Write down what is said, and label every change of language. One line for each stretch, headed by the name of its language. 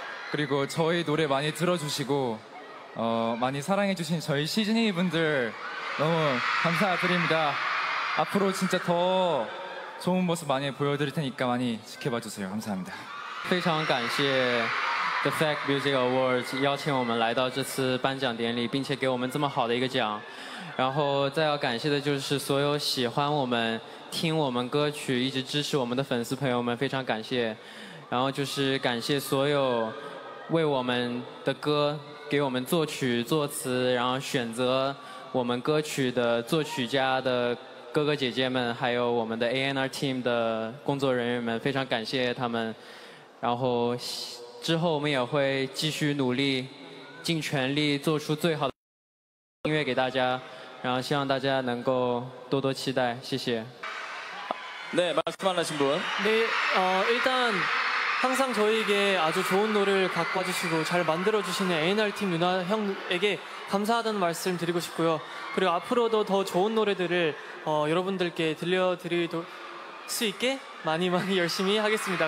Korean: 그리고 저희 노래 많이 들어주시고 많이 사랑해주신 저희 시즈니 분들 너무 감사드립니다. 앞으로 진짜 더 좋은 모습 많이 보여드릴 테니까 많이 지켜봐주세요. 감사합니다.
Chinese: 非常感谢 The Fact Music Awards 邀请我们来到这次颁奖典礼并且给我们这么好的一个奖然后再要感谢的就是所有喜欢我们听我们歌曲一直支持我们的粉丝朋友们非常感谢 然后就是感谢所有为我们的歌给我们作曲作词，然后选择我们歌曲的作曲家的哥哥姐姐们，还有我们的 A&R team 的工作人员们，非常感谢他们。然后之后我们也会继续努力，尽全力做出最好的音乐给大家，然后希望大家能够多多期待，谢谢。네
Korean: 말씀하신 분. 네, 일단 항상 저희에게 아주 좋은 노래를 갖고 와주시고 잘 만들어주시는 A&R팀 누나 형에게 감사하다는 말씀 드리고 싶고요. 그리고 앞으로도 더 좋은 노래들을 여러분들께 들려드릴 수 있게 많이 많이 열심히 하겠습니다.